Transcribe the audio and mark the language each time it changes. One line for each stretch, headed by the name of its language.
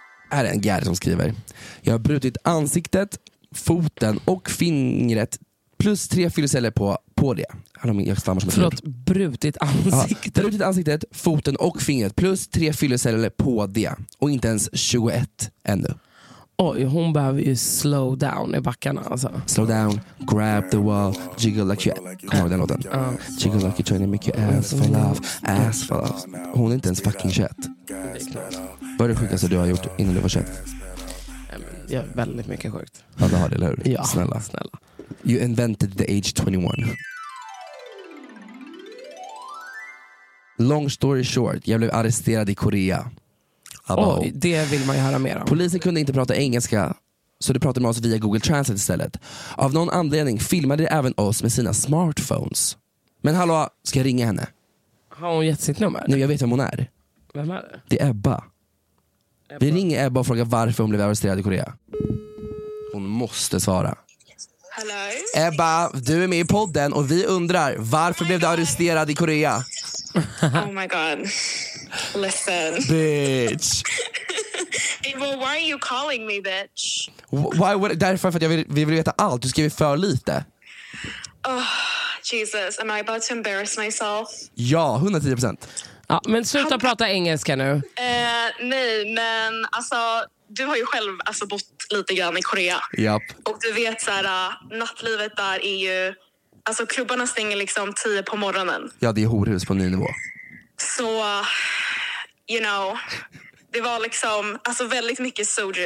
Swedish: Här är en Gary som skriver. Jag har brutit ansiktet, foten och fingret plus 3 fylleceller på det. Jag stammar som ett förlåt, brutit ansiktet. Ja, brutit ansiktet, foten och fingret plus 3 fylleceller på det. Och inte ens 21 ännu. Oj, hon behöver ju slow down i backarna alltså.
English: Slow down, grab the wall, jiggle like your ass. Kommer den låten? Jiggle like you're trying to make your ass for love, ass for love.
Swedish: Hon är inte ens fucking 21. Vad är det sjukaste du har gjort innan du var 21? Ja, väldigt mycket sjukt. Ja, du har det, eller hur? Ja, snälla. Snälla.
English: You invented the age 21.
Swedish: Long story short, jag blev arresterad i Korea. Oj, det vill man ju höra mer om. Polisen kunde inte prata engelska, så de pratade med oss via Google Translate istället. Av någon anledning filmade de även oss med sina smartphones. Men hallå, ska jag ringa henne? Har hon gett sitt nummer? Nej, jag vet vem hon är. Vem är det? Det är Ebba. Vi ringer Ebba och frågar varför hon blev arresterad i Korea. Hon måste svara.
English: Hello.
Swedish: Ebba, du är med i podden och vi undrar, varför blev du arresterad i Korea?
English: Oh my god. Listen. Bitch. Well, why are you calling me bitch?
Swedish: Why would, därför att jag vill, vi vill veta allt. Du skriver för lite.
English: Oh, Jesus, am I about to embarrass myself?
Swedish: Ja, 110%. Ja, men sluta prata engelska nu. Nej, men alltså, du har ju själv alltså bott lite grann i Korea.
English: Yep.
Swedish: Och du vet så här, nattlivet där är ju, alltså klubbarna stänger liksom 10 på morgonen. Ja, det är horhus på ny nivå. Så, you know, det var liksom, alltså väldigt mycket soju.